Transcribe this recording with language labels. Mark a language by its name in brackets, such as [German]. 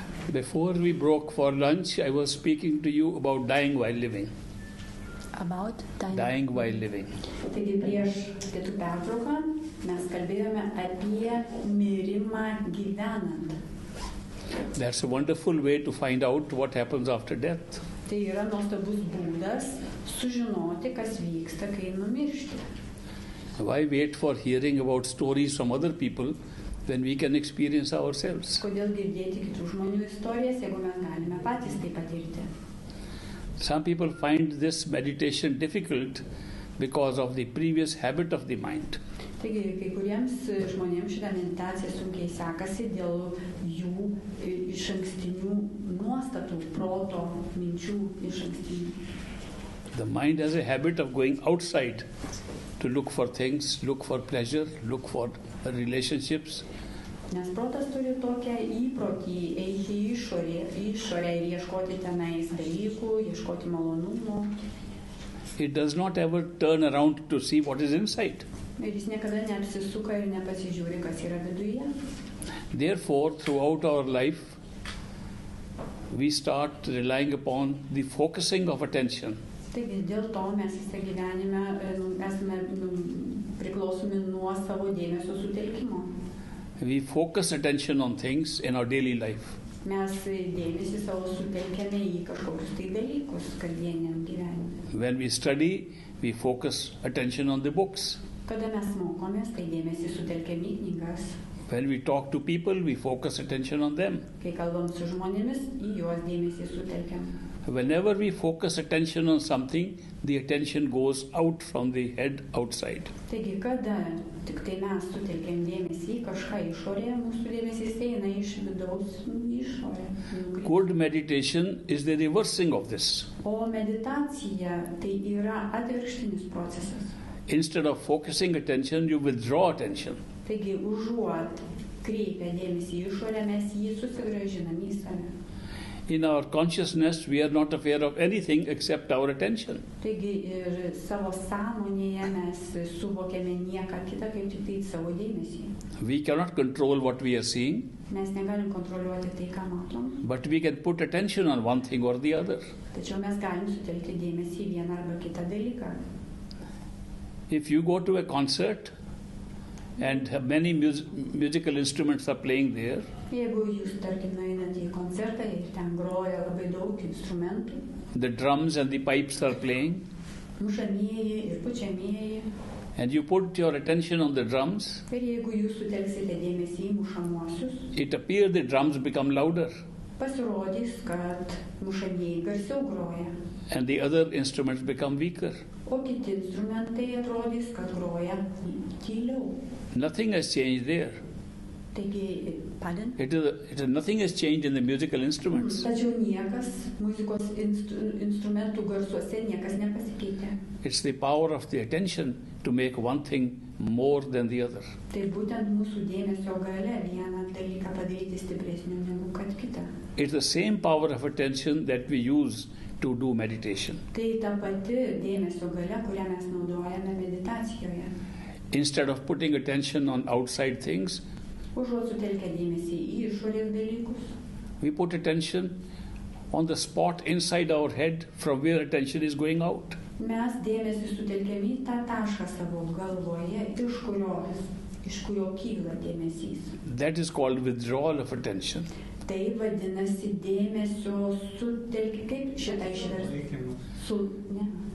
[English] Before we broke for lunch, I was speaking to you about dying while living. About dying? Dying while living. [Lithuanian] Taigi prieš pietų pertrauką mes kalbėjome apie mirimą gyvenant. [English] That's a wonderful way to find out what happens after death. [Lithuanian] Tai yra nuostabus būdas sužinoti, kas vyksta, kai numiršti. [English] Why wait for hearing about stories from other people when we can experience ourselves? [Lithuanian] Kodėl girdėti kitų žmonių istorijas, jeigu mes galime patys tai patirti? [English] Some people find this meditation difficult because of the previous habit of the mind. [Lithuanian] Taigi, kai kuriems žmonėms šita meditacija sunkiai sekasi dėl jų išankstinių nuostatų, proto, minčių išankstinių. [English] The mind has a habit of going outside to look for things, look for pleasure, look for relationships. [Lithuanian] Nes protas turi tokią įprotį eiti į išorę ir ieškoti tenais dalykų, ieškoti malonumų. [English] It does not ever turn around to see what is inside. [Lithuanian] Ir jis niekada neapsisuka ir nepasižiūri, kas yra viduje. [English] Therefore, throughout our life, we start relying upon the focusing of attention. [Lithuanian] Taigi dėl to mes visą gyvenime esame priklausomi nuo savo dėmesio sutelkimo. [English] We focus attention on things in our daily life. [Lithuanian] Mes dėmesį savo sutelkiame į kažkokius tai dalykus kasdieniam gyvenime. [English] When we study, we focus attention on the books. [Lithuanian] Kada mes mokomės, tai dėmesį sutelkiame į knygas. [English] When we talk to people, we focus attention on them. [Lithuanian] Kai kalbam su žmonėmis, į juos dėmesį sutelkiam. [English] Whenever we focus attention on something, the attention goes out from the head outside. [Lithuanian] Taigi, kada tik tai mes sutelkiam dėmesį į kažką išorėje, mūsų dėmesys eina iš vidaus išorę. [English] Good meditation is the reversing of this. [Lithuanian] O meditacija tai yra atvirkštinis procesas. [English] Instead of focusing attention, you withdraw attention. [Lithuanian] Taigi, užuot kreipę dėmesį į išorę, mes jį susigražinam į save. [English] In our consciousness, we are not aware of anything except our attention. [Lithuanian] Taigi ir savo sąmonėje mes suvokiame nieką kitą, kaip tik tai savo dėmesį. [English] We cannot control what we are seeing. [Lithuanian] Mes negalim kontroliuoti tai, ką matom. [English] But we can put attention on one thing or the other. [Lithuanian] Tačiau mes galim sutelkti dėmesį į vieną arba kitą dalyką. [English] If you go to a concert and many musical instruments are playing there. [Lithuanian] Jeigu jūs tarkim einate į koncertą ir ten groja labai daug instrumentų. [English] The drums and the pipes are playing. [Lithuanian] Mušamieji ir pučiamieji. [English] And you put your attention on the drums. [Lithuanian] Ir jeigu jūs sutelksite dėmesį į mušamuosius. [English] It appears the drums become louder. [Lithuanian] Pasirodys, kad mušamieji garsiau groja. [English] And the other instruments become weaker. [Lithuanian] O kiti instrumentai atrodys, kad groja tyliau. [English] Nothing has changed there. [Lithuanian] Taigi, pardon? [English] Nothing has changed in the musical instruments. [Lithuanian] Tačiau niekas muzikos instrumentų garsuose niekas nepasikeitė. [English] It's the power of the attention to make one thing more than the other. [Lithuanian] Tai būtent mūsų dėmesio galia vieną dalyką padaryti stipresnį negu kad kitą. [English] It's the same power of attention that we use to do meditation. [Lithuanian] Tai ta pati dėmesio galia, kurią mes naudojame meditacijoje. [English] Instead of putting attention on outside things, [Lithuanian] užuot sutelkę dėmesį į išorės dalykus, [English] we put attention on the spot inside our head from where attention is going out. [Lithuanian] Mes dėmesį sutelkėme į tą tašką savo galvoje, iš kurio kyla dėmesys. [English] That is called withdrawal of attention. [Lithuanian] Tai vadinasi dėmesio sutelkimas. Kaip šitą išversti?